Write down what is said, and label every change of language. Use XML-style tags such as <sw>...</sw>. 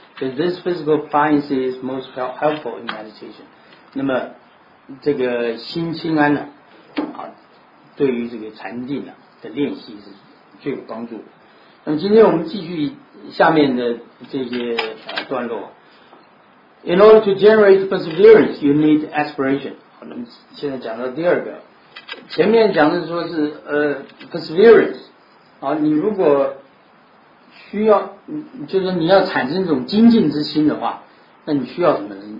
<en>So this physical quiet is most helpful in meditation.</en> <zh>那么这个心清安呢、对于这个禅定啊的练习是最有帮助的。那今天我们继续下面的这些段落。</zh> <en>In order to generate perseverance, you need aspiration.</en> <zh>我们现在讲到第二个，前面讲的说是perseverance 啊，你如果需要，就是你要产生这种精进之心的话，那你需要什么？</zh>